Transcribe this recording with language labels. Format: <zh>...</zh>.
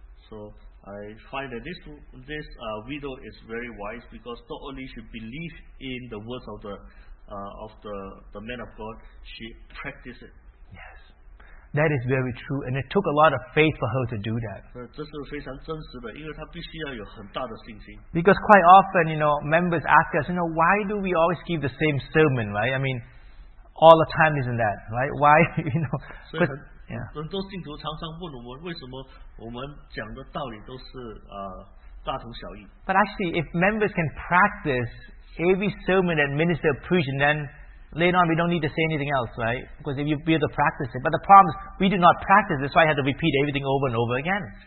<en>So I find that this widow is very wise, because not only she believes in the words of the man of God, she practices it. Yes, that is very true, and it took a lot of faith for her to do that.</en> <zh>这是非常真实的，因为她必须要有很大的信心。</zh> <en>Because quite often, you know, members ask us, you know, why do we always give the same sermon, right? I mean, all the time isn't that, right? Why, you know? But, yeah.</en> <zh>很多信徒常常问我们，为什么我们讲的道理都是大同小异。</zh> <en>But actually, if members can practice every sermon that minister preach, and then later on we don't need to say anything else, right? Because if you be able to practice it. But the problem is we do not practice. That's why I had to repeat everything over and over again.</en>